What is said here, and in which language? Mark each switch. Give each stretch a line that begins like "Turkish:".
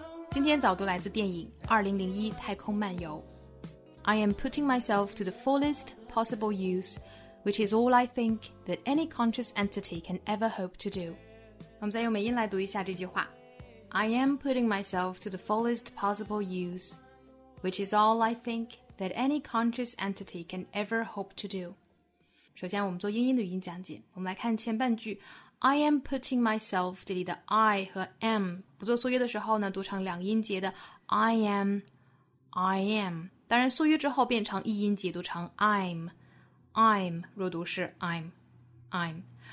Chinese: 今天早读来自电影《2001太空漫游》。
English: I am putting myself to the fullest possible use, which is all I think that any conscious entity can ever hope to do.
Chinese: 我们再用美音来读一下这句话。
English: I am putting myself to the fullest possible use, which is all I think that any conscious entity can ever hope to do.
Chinese: 首先我们做英音的语音讲解，我们来看前半句。 I am putting myself, 这里的 I 和 am, 不做缩约的时候呢读成两音节的 I am, I am, 当然缩约之后变成一音节读成 I'm, I'm, 若读是 I'm, I'm.